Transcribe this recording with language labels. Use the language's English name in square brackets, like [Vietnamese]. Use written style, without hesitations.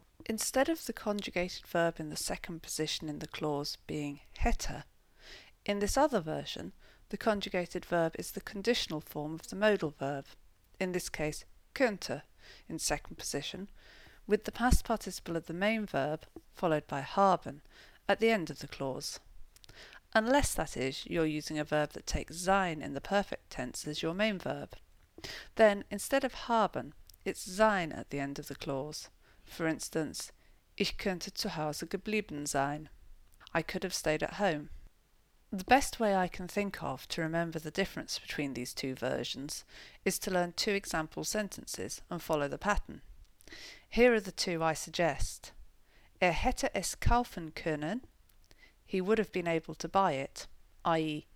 [English] Instead of the conjugated verb in the second position in the clause being hätte, in this other version, the conjugated verb is the conditional form of the modal verb, in this case könnte, in second position, with the past participle of the main verb, followed by haben, at the end of the clause. Unless, that is, you're using a verb that takes sein in the perfect tense as your main verb. Then, instead of haben, its sein at the end of the clause. For instance, [German] ich könnte zu Hause geblieben sein. [English] I could have stayed at home. The best way I can think of to remember the difference between these two versions is to learn two example sentences and follow the pattern. Here are the two I suggest. [German] Hätte es kaufen können, [English] he would have been able to buy it, i.e.